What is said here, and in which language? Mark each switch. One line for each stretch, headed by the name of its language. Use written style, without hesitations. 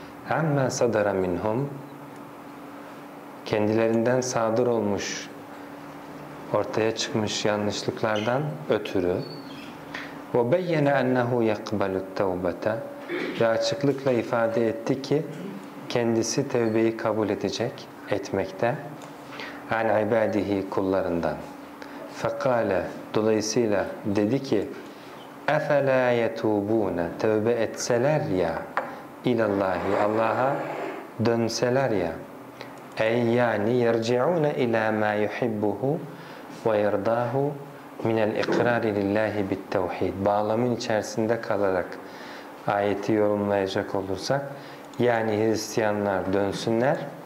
Arabic: اَمَّا صَدَرَ مِنْهُمْ
Turkish: Kendilerinden sadır olmuş, ortaya çıkmış yanlışlıklardan ötürü.
Arabic: وَبَيَّنَ اَنَّهُ يَقْبَلُ التَّوْبَةَ
Turkish: Ve açıklıkla ifade etti ki kendisi tövbeyi kabul edecek, etmekte.
Arabic: عَنْ عِبَادِهِ
Turkish: Kullarından.
Arabic: فَقَالَ
Turkish: Dolayısıyla dedi ki
Arabic: اَفَلَا يَتُوبُونَ
Turkish: Tövbe etseler ya
Arabic: اِلَى اللّٰهِ
Turkish: Allah'a dönseler ya
Arabic: اَيْ يَعْنِ يَرْجِعُونَ اِلَى مَا يُحِبُّهُ وَيَرْضَاهُ min al-iqrar lillahi bit-tauhid
Turkish: bağlamın içerisinde kalarak ayeti yorumlayacak olursak, yani Hristiyanlar dönsünler,